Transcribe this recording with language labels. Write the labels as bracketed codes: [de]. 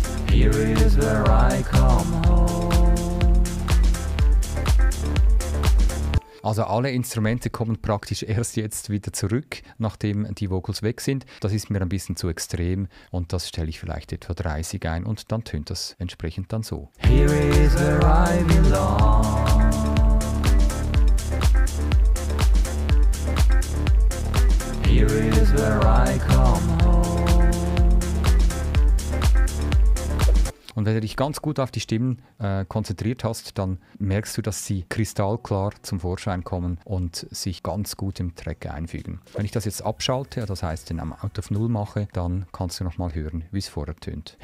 [en] Here is where I come home. [de] Also alle Instrumente kommen praktisch erst jetzt wieder zurück, nachdem die Vocals weg sind. Das ist mir ein bisschen zu extrem und das stelle ich vielleicht etwa 30 ein und dann tönt das entsprechend dann so. [en] Here is where I belong. Here is where I come home. [de] Und wenn du dich ganz gut auf die Stimmen konzentriert hast, dann merkst du, dass sie kristallklar zum Vorschein kommen und sich ganz gut im Track einfügen. Wenn ich das jetzt abschalte, das heisst den Amount auf Null mache, dann kannst du nochmal hören, wie es vorher tönt.